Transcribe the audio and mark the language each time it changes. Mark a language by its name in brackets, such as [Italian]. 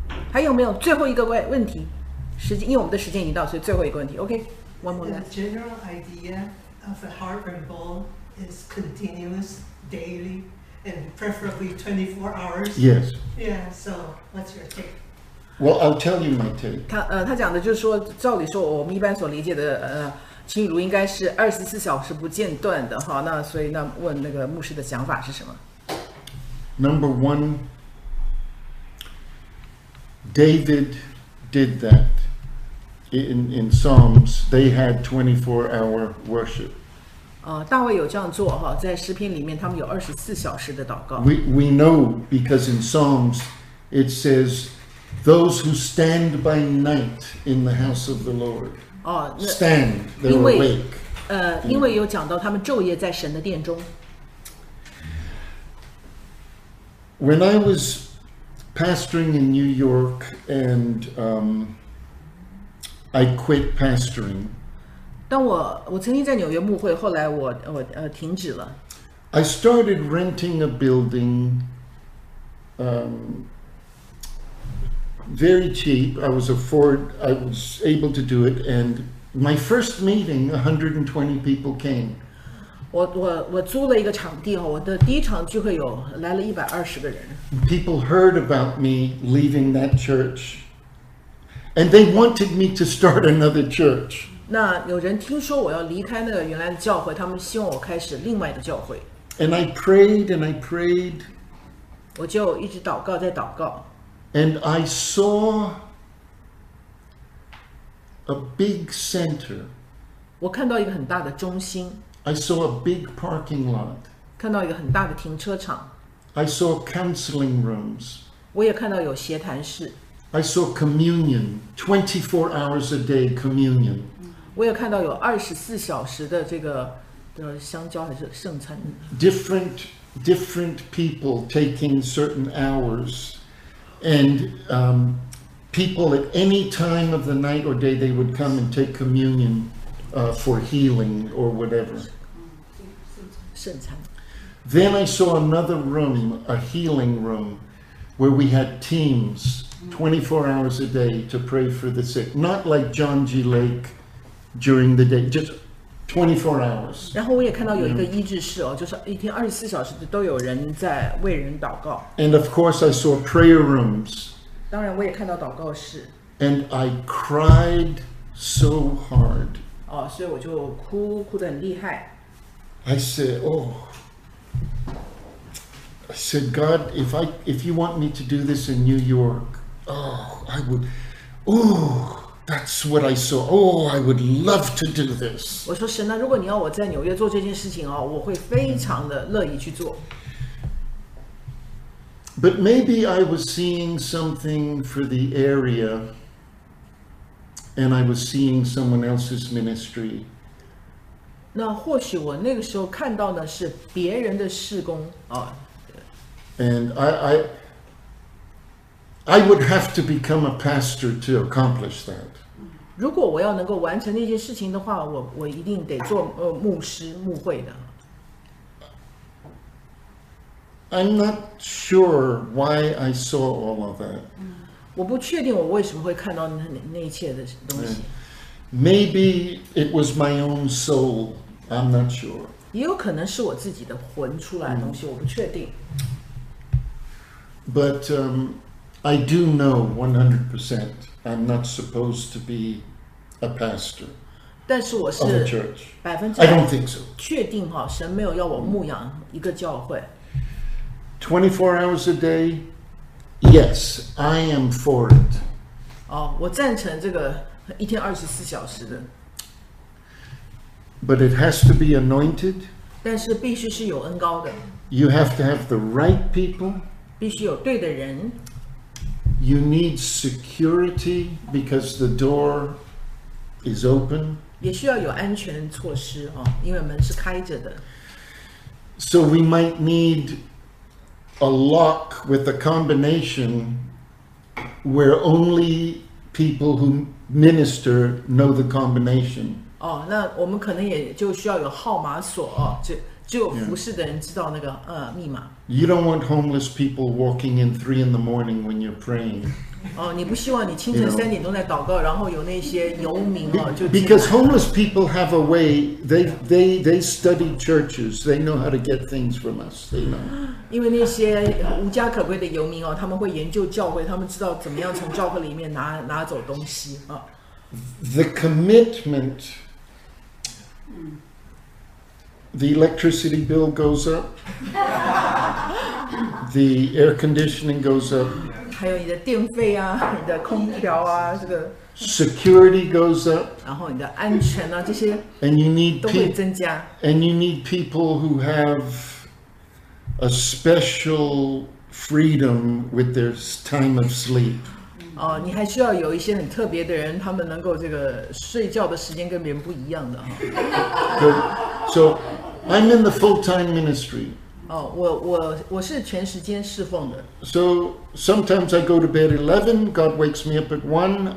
[Chinese] 还有没有最后一个问题？时间，因为我们的时间已经到，所以最后一个问题。 [English] Okay, one more. The general idea of the Harp and Bowl is continuous, daily, and preferably 24 hours. Yes. Yeah, so what's your take? Well, I'll tell you my take. [Chinese] 他讲的就是说，照理说我们一般所理解的齐雨茹应该是24小时不间断的哈，那所以那问那个牧师的想法是什么？ [English] Number one, David did that in Psalms. They had 24-hour worship. [Chinese] 大卫有这样做哈，在诗篇里面他们有24小时的祷告。 [English] We know because in Psalms it says those who stand by night in the house of the Lord. Stand, they're awake. [Chinese] 因为有讲到他们昼夜在神的殿中。 [English] When I was pastoring in New York and I quit pastoring, [Chinese] 当我曾经在纽约牧会，后来我停止了。 [English] I started renting a building, very cheap. I was able to do it and. My first meeting, 120 people came. [Chinese] 我租了一个场地，我的第一场聚会有来了120个人。 [English] People heard about me leaving that church, and they wanted me to start another church. [Chinese] 那有人听说我要离开那个原来的教会，他们希望我开始另外的教会。 [English] And I prayed and I prayed. [Chinese] 我就一直祷告在祷告。 [English] And I saw. A big center. [Chinese] 我看到一个很大的中心。 [English] I saw a big parking lot. [Chinese] 看到一个很大的停车场。 [English] I saw counseling rooms. [Chinese] 我也看到有协谈室。 [English] I saw communion, 24 hours a day communion. [Chinese] 我也看到有24小时的这个香蕉还是圣餐。 [English] Different people taking certain hours and, people at any time of the night or day, they would come and take communion for healing or whatever. Then I saw another room, a healing room, where we had teams 24 hours a day to pray for the sick. Not like John G. Lake during the day, just 24 hours. [Chinese] 然后我也看到有一个医治室哦，就是一天24小时都有人在为人祷告。 [English] And of course, I saw prayer rooms. [Chinese] 当然我也看到祷告室。 [English] And I cried so hard. [Chinese] 哦，所以我就哭，哭得很厉害。 [English] I said, God, if you want me to do this in New York, that's what I saw. Oh, I would love to do this. [Chinese] 我说神啊，如果你要我在纽约做这件事情哦，我会非常的乐意去做。 [English] But maybe I was seeing something for the area and I was seeing someone else's ministry. [Chinese] 那或许我那个时候看到的是别人的事工、 [English] And I would have to become a pastor to accomplish that. [Chinese] 如果我要能够完成那些事情的话 我一定得做、牧师牧会的。 [English] I'm not sure why I saw all of that. [Chinese] 我不确定我为什么会看到那一切的东西。 [English] Maybe it was my own soul. I'm not sure. [Chinese] 也有可能是我自己的魂出来的东西，我不确定。 [English] But I do know 100%. I'm not supposed to be a pastor. [Chinese] 但是我是 [English] of a church. I don't think so. [Chinese] 确定哈，神没有要我牧养一个教会。 [English] 24 hours a day, yes, I am for it. [Chinese] 我赞成这个一天24小时的。 [English] But it has to be anointed. [Chinese] 但是必须是有恩膏的。 [English] You have to have the right people. [Chinese] 必须有对的人。 [English] You need security because the door is open. [Chinese] 也需要有安全措施哦，因为门是开着的。 [English] So we might need... A lock with a combination where only people who minister know the combination. [Chinese] 那我们可能也就需要有号码锁，只有服侍的人知道那个密码。 [English] You don't want homeless people walking in 3 a.m. when you're praying. [Chinese] 哦，你不希望你清晨三点钟在祷告，然后有那些游民哦，就 [English] Because homeless people have a way. They study churches. They know how to get things from us. They know. [Chinese] 因为那些无家可归的游民哦，他们会研究教会，他们知道怎么样从教会里面拿走东西啊。 [English] The commitment. The electricity bill goes up. The air conditioning goes up. [Chinese] 还有你的电费啊，你的空调啊，这个。 [English] Security goes up. [Chinese] 然后你的安全啊，这些。 [English] And you need [Chinese] 都会增加。 [English] And you need people who have a special freedom with their time of sleep. [Chinese] 哦，你还需要有一些很特别的人，他们能够这个睡觉的时间跟别人不一样的哈。 [English] So, I'm in the full-time ministry. [Chinese] 哦，我是全时间侍奉的。 [English] So sometimes I go to bed 11. God wakes me up at 1.